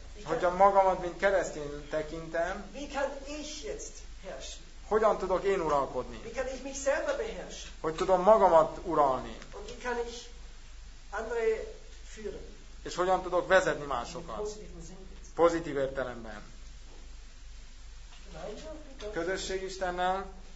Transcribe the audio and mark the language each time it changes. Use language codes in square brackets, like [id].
[hu] hogyha magamat, mint keresztény tekintem, [de] wie kann ich jetzt herrschen? [hu] Hogyan tudok én uralkodni? [de] Wie kann ich mich selber beherrschen? [hu] Hogy tudom magamat uralni? [de] Und wie kann ich andere führen? [hu] És hogyan tudok vezetni másokat? Pozitív értelemben. Közösség Istennel.